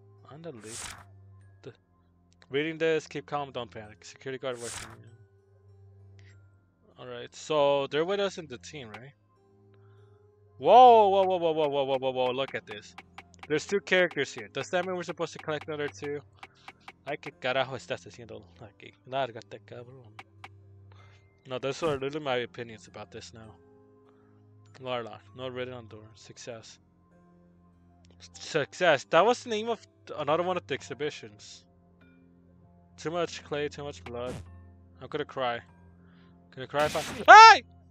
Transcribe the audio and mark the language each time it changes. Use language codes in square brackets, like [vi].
[en] On the leaf. Reading this, keep calm, don't panic. Security guard working. Alright, so they're with us in the team, right? Whoa, look at this. There's two characters here. Does that mean we're supposed to collect another two? [es] Ay, que carajo estás haciendo aquí. Lárgate, cabrón. [en] No, those are literally my opinions about this now. Larlock, no written on door. Success. Success. That was the name of another one of the exhibitions. Too much clay, too much blood. I'm gonna cry. Gonna cry if I. Hey!